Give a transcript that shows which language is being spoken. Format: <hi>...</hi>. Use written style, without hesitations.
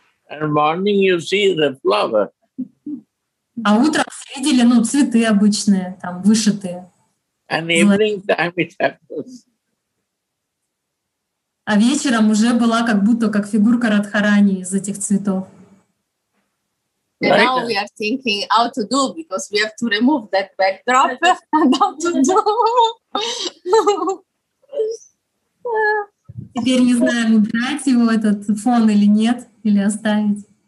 <en>And morning you see the flower.</en> <ru>А утром видели, ну, цветы обычные, там, вышитые.</ru> <en>And evening time it happens.</en> <ru>А вечером уже была как будто как фигурка Радхарани из этих цветов.</ru> <en>And now we are thinking how to do, because we have to remove that backdrop and how to do.</en> <ru>Теперь не знаем, убрать его этот фон или нет, или оставить.</ru>